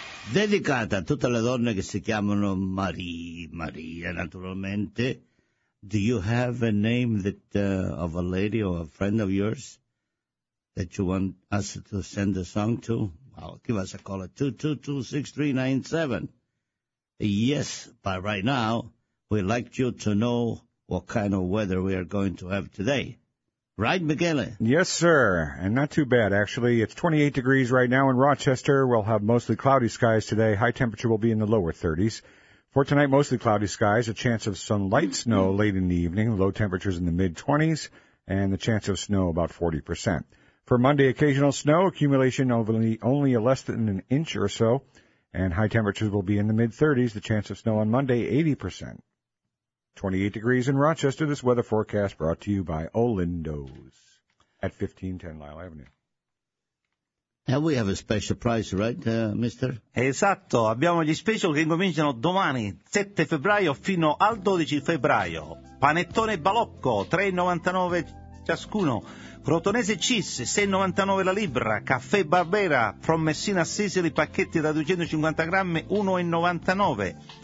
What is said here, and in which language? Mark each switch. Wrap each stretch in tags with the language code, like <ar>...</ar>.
<it>dedicata a tutte le donne che si chiamano Maria, naturalmente.</it> <en>Do you have a name that of a lady or a friend of yours that you want us to send a song to? Well, give us a call at 222-6397. Yes, by right now, we'd like you to know what kind of weather we are going to have today. Right, Michele? Yes, sir, and not too bad, actually. It's 28 degrees right now in Rochester. We'll have mostly cloudy skies today. High temperature will be in the lower 30s. For tonight, mostly cloudy skies, a chance of some light snow late in the evening, low temperatures in the mid-20s, and the chance of snow about 40%. For Monday, occasional snow, accumulation only less than an inch or so, and high temperatures will be in the mid-30s, the chance of snow on Monday, 80%. 28 degrees in Rochester. This weather forecast brought to you by Olindo's at 1510 Lyle Avenue. And we have a special price, right, mister?</en> <it>Esatto, abbiamo gli special che incominciano domani, 7 febbraio fino al 12 febbraio. Panettone Balocco, 3,99 ciascuno. Crotonese Cheese, 6,99 la libra. Caffè Barbera, from Messina a Sicily, pacchetti da 250 grammi, 1,99.</it>